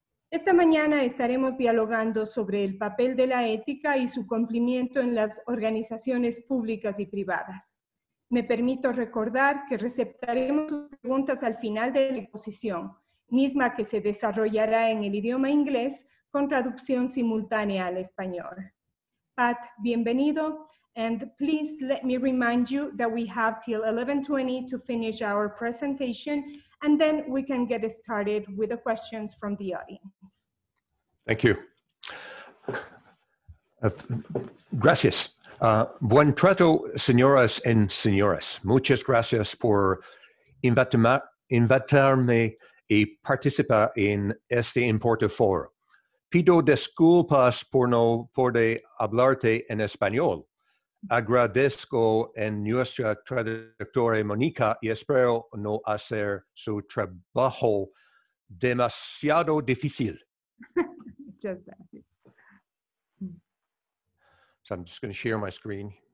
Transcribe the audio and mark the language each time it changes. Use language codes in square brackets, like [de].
[es] Esta mañana estaremos dialogando sobre el papel de la ética y su cumplimiento en las organizaciones públicas y privadas. Me permito recordar que receptaremos sus preguntas al final de la exposición, misma que se desarrollará en el idioma inglés con traducción simultánea al español. Pat, bienvenido. [en] And please let me remind you that we have till 11:20 to finish our presentation, and then we can get started with the questions from the audience. Thank you. [es] Gracias. Buen trato, señoras y señores. Muchas gracias por invitarme y participar en este importante foro. Pido disculpas por no poder hablarte en español. Agradezco en nuestra traductora Monica y espero no hacer su trabajo demasiado difícil. [en] Just that. So I'm just going to share my screen.